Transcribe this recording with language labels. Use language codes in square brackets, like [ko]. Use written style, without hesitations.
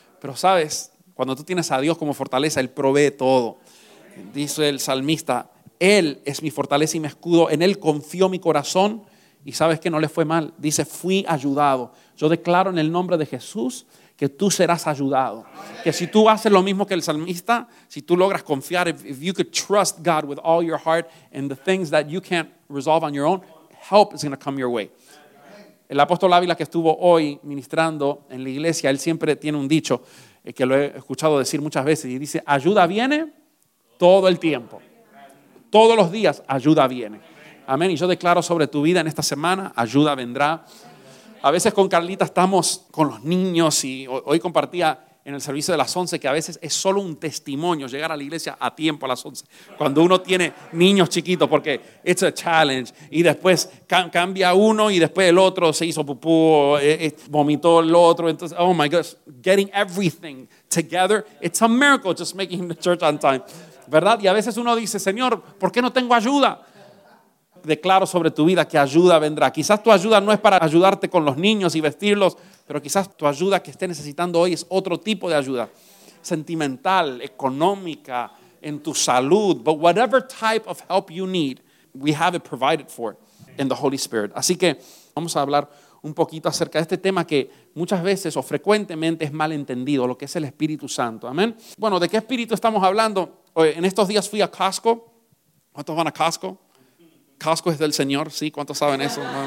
[es] Pero sabes, cuando tú tienes a Dios como fortaleza, Él provee todo. Dice el salmista, Él es mi fortaleza y mi escudo, en Él confío mi corazón. Y sabes que no le fue mal. Dice, fui ayudado. Yo declaro en el nombre de Jesús que tú serás ayudado. [en] Que si tú haces lo mismo que el salmista, si tú logras confiar, if you could trust God with all your heart and the things that you can't resolve on your own, help is going to come your way. [es] El apóstol Ávila, que estuvo hoy ministrando en la iglesia, él siempre tiene un dicho que lo he escuchado decir muchas veces y dice, ayuda viene todo el tiempo. Todos los días ayuda viene. Amén. Y yo declaro sobre tu vida en esta semana, ayuda vendrá. A veces con Carlita estamos con los niños y hoy compartía en el servicio de las 11 que a veces es solo un testimonio llegar a la iglesia a tiempo a las 11 cuando uno tiene niños chiquitos porque it's a challenge y después cambia uno y después el otro se hizo pupú, vomitó el otro, entonces oh my gosh, getting everything together, it's a miracle just making the church on time, ¿verdad? Y a veces uno dice, Señor, ¿por qué no tengo ayuda? Declaro sobre tu vida que ayuda vendrá. Quizás tu ayuda no es para ayudarte con los niños y vestirlos, pero quizás tu ayuda que esté necesitando hoy es otro tipo de ayuda, sentimental, económica, [en] en tu salud, but whatever type of help you need, we have it provided for in the Holy Spirit. [es] Así que vamos a hablar un poquito acerca de este tema que muchas veces o frecuentemente es mal entendido, lo que es el Espíritu Santo. Amén. Bueno, ¿de qué espíritu estamos hablando? Oye, en estos días fui a Costco. ¿Cuántos van a Costco? Costco es del Señor, ¿sí? ¿Cuántos saben eso?